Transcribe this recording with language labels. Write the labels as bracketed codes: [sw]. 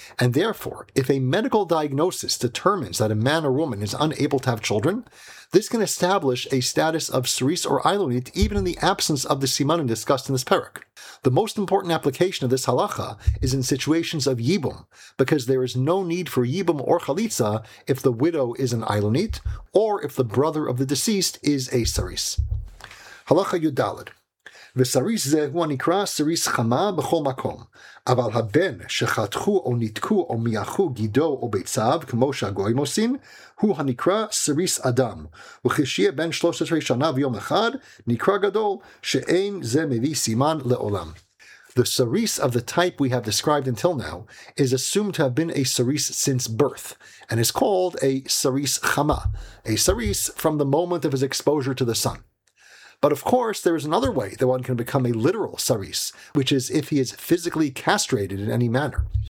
[en] And therefore, if a medical diagnosis determines that a man or woman is unable to have children, this can establish a status of saris or ilonit even in the absence of the simanim discussed in this perek. The most important application of this halacha is in situations of yibum, because there is no need for yibum or chalitza if the widow is an ilonit, or if the brother of the deceased is a saris. Halacha Yud Dalet. [he] וסריס זה הוא הנקרא סריס חמה בכל מקום. אבל הבן שחתכו או ניתקו או מייחו גידו או ביצב, כמו שהגויים עושים, הוא הנקרא סריס אדם. וכשיהיה בן 13 שנה ויום אחד, נקרא גדול שאין זה מביא סימן לעולם. [en] The saris of the type we have described until now is assumed to have been a saris since birth, and is called a saris chama, a saris from the moment of his exposure to the sun. But of course, there is another way that one can become a literal saris, which is if he is physically castrated in any manner.